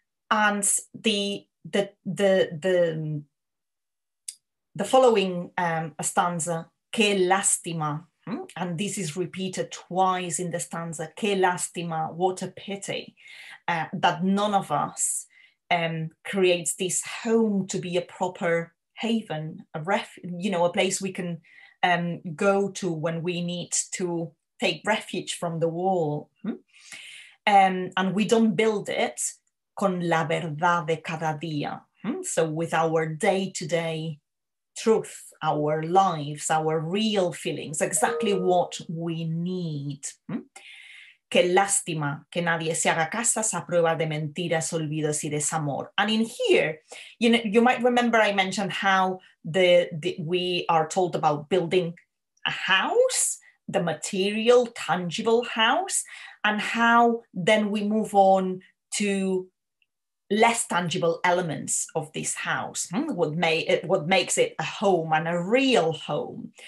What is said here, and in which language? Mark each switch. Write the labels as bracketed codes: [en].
[en] And the following stanza, [es] qué lástima, [en] and this is repeated twice in the stanza, qué lástima, what a pity, that none of us creates this home to be a proper haven, a place we can go to when we need to take refuge from the wall. And we don't build it [es] con la verdad de cada día. [en] So with our day-to-day truth, our lives, our real feelings, exactly what we need. [es] Qué lástima que nadie se haga casas a prueba de mentiras, olvidos y desamor. [en] And in here, you know, you might remember I mentioned how we are told about building a house, the material, tangible house, and how then we move on to less tangible elements of this house, what makes it a home and a real home.